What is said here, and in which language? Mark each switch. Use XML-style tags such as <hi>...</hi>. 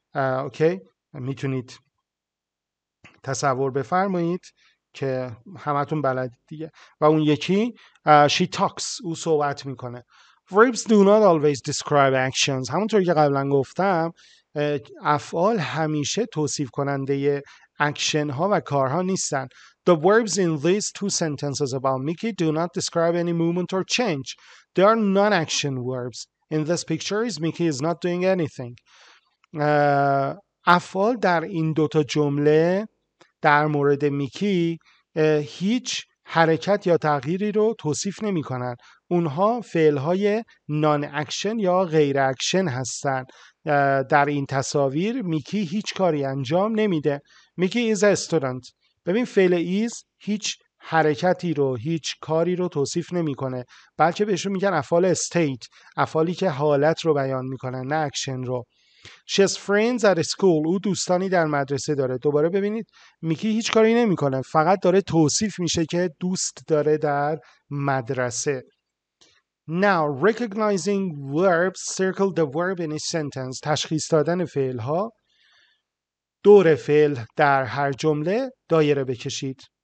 <fa>اوکی میتونید تصور بفرمایید که همتون بلدید دیگه. و اون یکی</fa> <en>she talks،</en> <fa>او صحبت میکنه.</fa> <en>Verbs do not always describe actions.</en> <fa>همونطور که قبلا گفتم افعال همیشه توصیف کننده اکشن ها و کارها نیستن.</fa> <en>The verbs in these two sentences about Mickey do not describe any movement or change. They are non-action verbs. In this picture, Mickey is not doing anything.</en> <fa>افعال در این دو تا جمله در مورد میکی هیچ حرکت یا تغییری رو توصیف نمی کنن. اونها فعل های نان اکشن یا غیر اکشن هستن. در این تصاویر میکی هیچ کاری انجام نمیده.</fa> <en>Mickey is a student.</en> <fa>ببین فعل is هیچ حرکتی رو، هیچ کاری رو توصیف نمی کنه. بلکه بهشون میگن افعال state، افعالی که حالت رو بیان می کنن، نه اکشن رو.</fa> <en>She has friends at school.</en> <fa>او دوستانی در مدرسه داره. دوباره ببینید میکی هیچ کاری نمی کنه، فقط داره توصیف میشه که دوست داره در مدرسه.</fa> <en>Now recognizing verbs, circle the verb in each sentence.</en> <fa>تشخیص دادن فعل ها، دور فعل در هر جمله دایره بکشید.</fa>